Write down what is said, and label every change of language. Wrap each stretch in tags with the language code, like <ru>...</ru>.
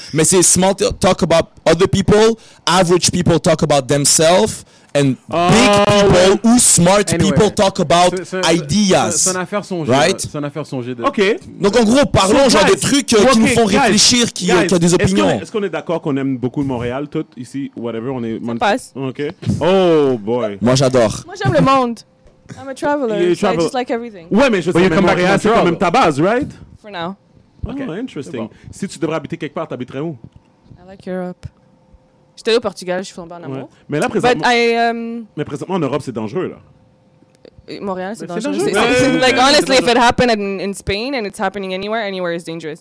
<fr>Mais c'est</fr> <en>small talk about other people, average people talk about themselves, and big people ou smart people talk about ideas.</en> <fr>C'est une affaire songée.</fr> <en>Right?</en> <fr>C'est une affaire songée.</fr> <en>OK.</en> <fr>Donc, en gros, parlons genre des trucs qui nous font réfléchir, qui ont des opinions. Est-ce qu'on est d'accord qu'on aime beaucoup Montréal, tout ici, whatever? On est. Ça passe.</fr> <en>OK. Oh, boy.</en> <fr>Moi, j'adore. Moi, j'aime le monde.</fr> <en>I'm a traveler. You travel. So I just like everything.</en> <fr>Ouais, mais je sais que Montréal, c'est quand même ta base, right?</fr> <en>For now. Okay. Oh, interesting. Bon.</en> <fr>Si tu devrais habiter quelque part, t'habiterais où?</fr> <en>I like Europe.</en> <fr>J'étais au Portugal, je suis en bas en amour. Mais là, présentement.</fr> <en>But</en> <fr>mais présentement, en Europe, c'est dangereux, là. Montréal, c'est dangereux.</fr> <en>Like, honestly, if it happened in Spain and it's happening anywhere is dangerous.</en>